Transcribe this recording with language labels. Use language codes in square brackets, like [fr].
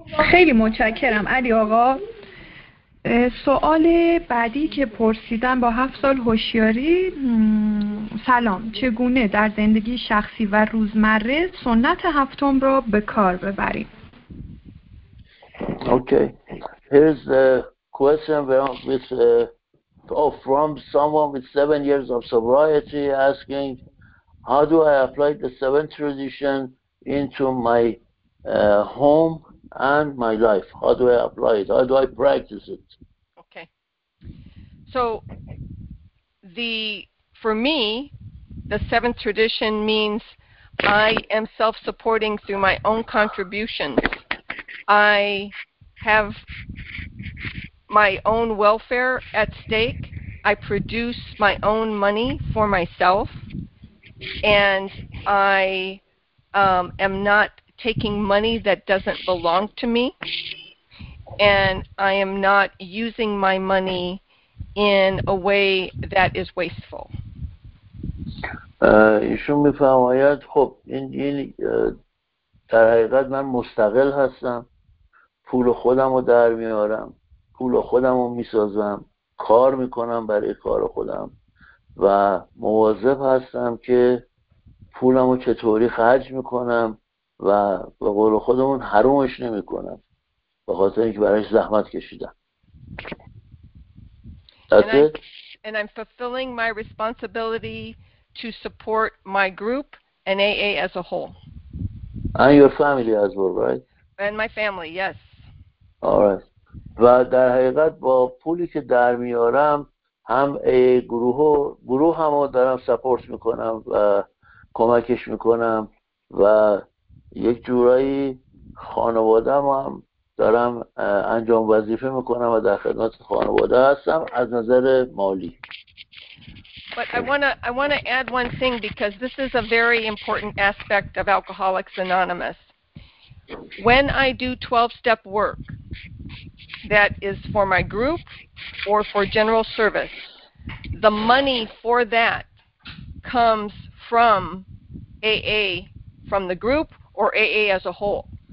[fa] خیلی متشکرم علی آقا. سوال بعدی که پرسیدم با 7 سال هوشیاری، سلام، چگونه در زندگی شخصی و روزمره سنت هفتم را به کار ببریم؟ [en] Okay. Here's the question with from someone with 7 years of sobriety asking, how do I apply the seven tradition into my home and my life? How do I apply it? How do I practice it? Okay. So for me, the seventh tradition means I am self-supporting through my own contributions. I have my own welfare at stake. I produce my own money for myself, and I am not taking money that doesn't belong to me, and I am not using my money in a way that is wasteful. [fa] ایشون میفرماید خب این در حقیقت من مستقل هستم، پول خودم رو در میارم، پول خودم رو میسازم، کار میکنم برای کار خودم و مواظب هستم که پولم رو چطوری خرج میکنم و به قول خودمون حرومش نمیکنم به خاطر اینکه برایش زحمت کشیدم. [en] And I'm fulfilling my responsibility to support my group and AA as a whole. And your family as well, right? And my family, yes. All right. [fa] و در حقیقت با پولی که در میارم هم گروه هم رو دارم سپورت میکنم و کمکش میکنم و یک جورایی خانواده هم دارم انجام وظیفه میکنم و در خدمت خانواده هستم از نظر مالی. [en] But I wanna add one thing because this is a very important aspect of Alcoholics Anonymous. When I do 12-step work that is for my group or for general service, the money for that comes from AA, from the group or AA as a whole.